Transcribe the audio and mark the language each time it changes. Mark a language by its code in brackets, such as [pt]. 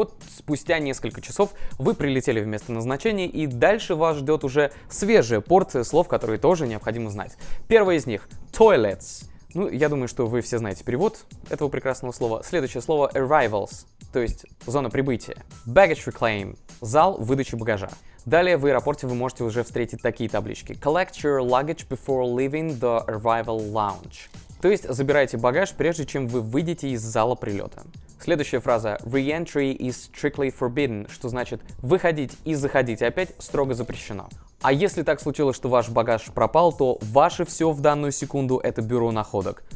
[ru] Вот спустя несколько часов вы прилетели в место назначения, и дальше вас ждет уже свежая порция слов, которые тоже необходимо знать. Первое из них – toilets. Ну, я думаю, что вы все знаете перевод этого прекрасного слова. Следующее слово – arrivals, то есть зона прибытия. Baggage reclaim – зал выдачи багажа. Далее в аэропорте вы можете уже встретить такие таблички. [en] Collect your luggage before leaving the arrival lounge. [ru] То есть забирайте багаж, прежде чем вы выйдете из зала прилета. Следующая фраза. [en] Re-entry is strictly forbidden, [ru] что значит выходить и заходить опять строго запрещено. А если так случилось, что ваш багаж пропал, то ваше все в данную секунду это бюро находок.